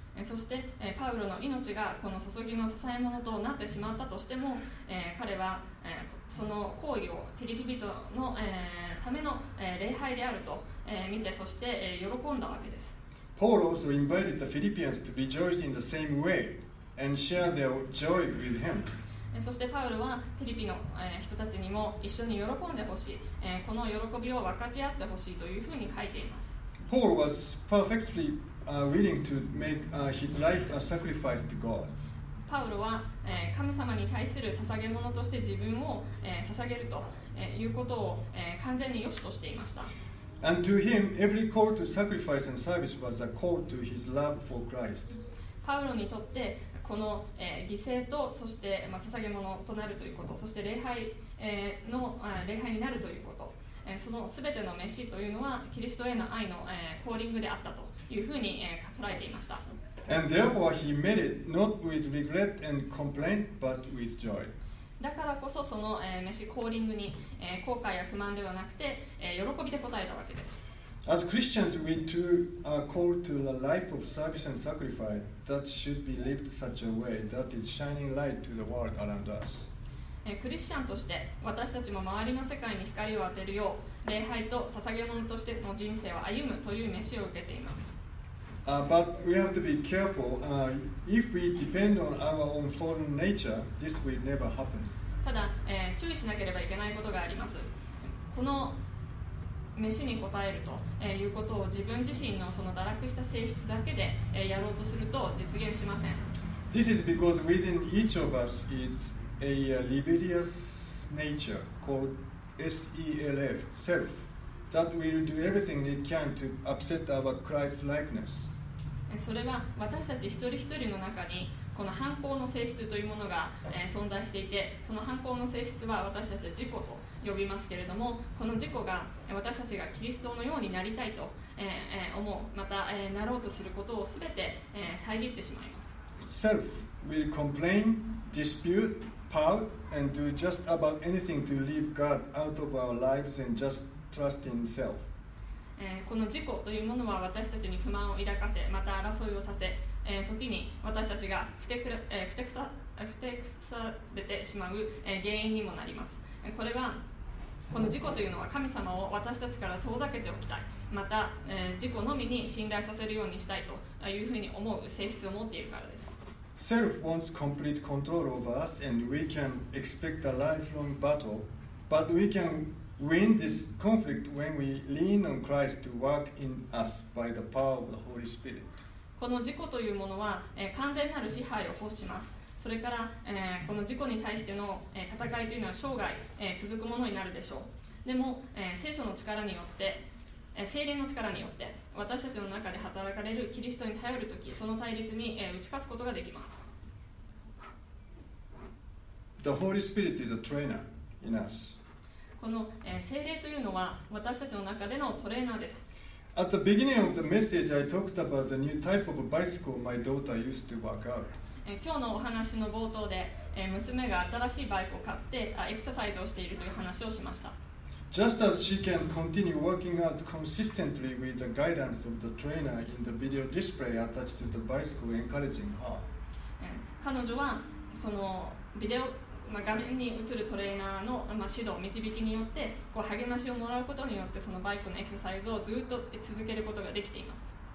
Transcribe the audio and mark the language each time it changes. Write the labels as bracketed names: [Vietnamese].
[Japanese] そしてパウロの命がこの注ぎの支え物となってしまったとしても、彼はその行為をテリピ人の、ための礼拝であると、見て、そして、喜んだわけです。 [English] Paul also invited the Philippians to rejoice in the same way and share their joy with him. [Japanese] そしてパウロはテリピの、人たちにも一緒に喜んでほしい、この喜びを分かち合ってほしいというふうに書いています。 [English] Paul was perfectlyWilling to make his life a sacrifice to God. Paul was, [Japanese] 神様に対する捧げ物として自分を捧げるということを完全に良しとしていました。 [English] And to him, every call to sacrifice and service was a call to his love for Christ. [Japanese] Paul にとってこの犠牲とそして捧げ物となるということ、そして礼拝の礼拝になるということ、そのすべての召しというのはキリストへの愛のコーリングであったと。いうふうに捉えていました。 [English] And therefore he made it not with regret and complaint but with joy. [Japanese] だからこそその召しコーリングに後悔や不満ではなくて喜びで答えたわけです。 [English] As Christians we too are called to the life of service and sacrifice that should be lived such a way that is shining light to the world around us. [Japanese] クリスチャンとして私たちも周りの世界に光を当てるよう礼拝と捧げ物としての人生を歩むという召しを受けています。 [English] But we have to be careful. If we depend on our own fallen nature, this will never happen. [Japanese] ただ、注意しなければいけないことがあります。この召しに応えると、いうことを自分自身のその堕落した性質だけで、やろうとすると実現しません。 [English] This is because within each of us is a rebellious nature called SELF, self, that will do everything it can to upset our Christ likeness. [Japanese] それは私たち一人一人の中にこの反抗の性質というものが存在していて、その反抗の性質は私たちは自己と呼びますけれども、この自己が私たちがキリストのようになりたいと思う、またなろうとすることを全て遮ってしまいます。 [English] self will complain, dispute, pout, and do just about anything to leave God out of our lives and just trust in self. [Japanese] この自己というものは私たちに不満を抱かせ、また争いをさせ、時に私たちがふてくされてしまう原因にもなります。これは、この自己というのは神様を私たちから遠ざけておきたい、また、自己のみに信頼させるようにしたいというふうに思う性質を持っているからです。 [English] Self wants complete control over us and we can expect a lifelong battle, but we canWin this conflict when we lean on Christ to work in us by the power of the Holy Spirit. [Japanese] この自己というものは、完全なる支配を欲します。それから、この自己に対しての、戦いというのは生涯、続くものになるでしょう。でも、聖書の力によって、聖霊の力によって、私たちの中で働かれるキリストに頼るとき、その対立に、打ち勝つことができます。 [English] The Holy Spirit is a trainer in us. [Japanese] この、聖霊というのは私たちの中でのトレーナーです。 [English] At the beginning of the message, I talked about the new type of bicycle my daughter used to work out. [Japanese] 今日のお話の冒頭で、娘が新しいバイクを買って、エクササイズをしているという話をしました。 [English] Just as she can continue working out consistently with the guidance of the trainer in the video display attached to the bicycle encouraging her. [Japanese] 彼女はそのビデオ画面に映るトレーナーの指導導きによってこう励ましをもらうことによってそのバイクのエクササイズをずっと続けることができています。